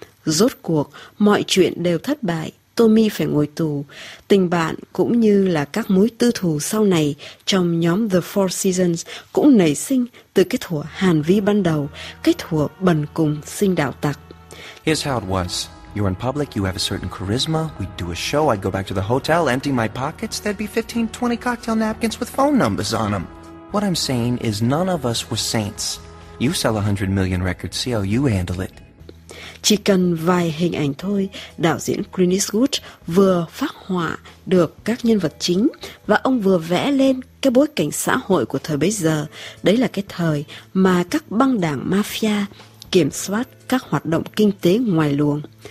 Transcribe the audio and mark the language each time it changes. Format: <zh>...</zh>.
<vi>Rốt cuộc, mọi chuyện đều thất bại. Tommy phải ngồi tù, tình bạn cũng như là các mối tư thù sau này trong nhóm The Four Seasons cũng nảy sinh từ cái thủa hàn vi ban đầu, cái thủa bần cùng sinh đạo tặc.</vi> <en>Here's how it was. You're in public, you have a certain charisma, we'd do a show, I'd go back to the hotel, empty my pockets, there'd be 15-20 cocktail napkins with phone numbers on them. What I'm saying is none of us were saints. You sell 100 million records, see how you handle it.</en> <vi>Chỉ cần vài hình ảnh thôi, đạo diễn Clint Eastwood vừa phác họa được các nhân vật chính và ông vừa vẽ lên cái bối cảnh xã hội của thời bấy giờ. Đấy là cái thời mà các băng đảng mafia kiểm soát các hoạt động kinh tế ngoài luồng.</vi>